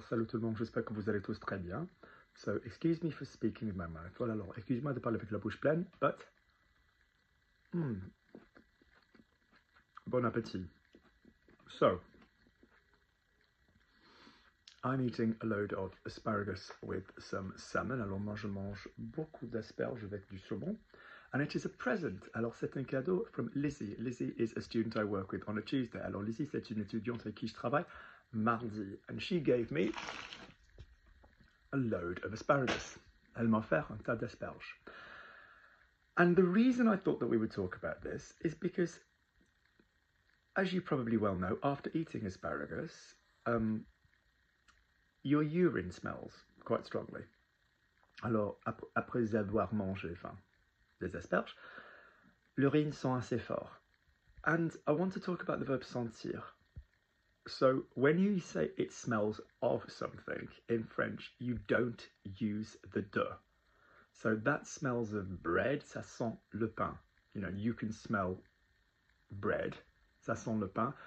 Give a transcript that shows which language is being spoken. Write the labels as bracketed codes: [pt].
[fr] Salut tout le monde, j'espère que vous allez tous très bien. [en] So, excuse me for speaking with my mouth. Well, [fr] alors, excuse-moi de parler avec la bouche pleine, [en] but... [fr] Bon appétit. [en] So, I'm eating a load of asparagus with some salmon. [fr] Alors moi, je mange beaucoup d'asperges avec du saumon. [en] And it is a present. [fr] Alors c'est un cadeau [en] from Lizzy. Lizzy is a student I work with on a Tuesday. [fr] Alors Lizzy, c'est une étudiante avec qui je travaille. [en] Mardi, and she gave me a load of asparagus. [fr] Elle m'a offert un tas d'asperges. [en] And the reason I thought that we would talk about this is because, as you probably well know, after eating asparagus, your urine smells quite strongly. [fr] Alors, après avoir mangé, enfin, des asperges, l'urine sent assez fort. [en] And I want to talk about the verb sentir. So when you say it smells of something in French, you don't use the de. So that smells of bread, [fr] ça sent le pain. [en] You know, you can smell bread, [fr] ça sent le pain.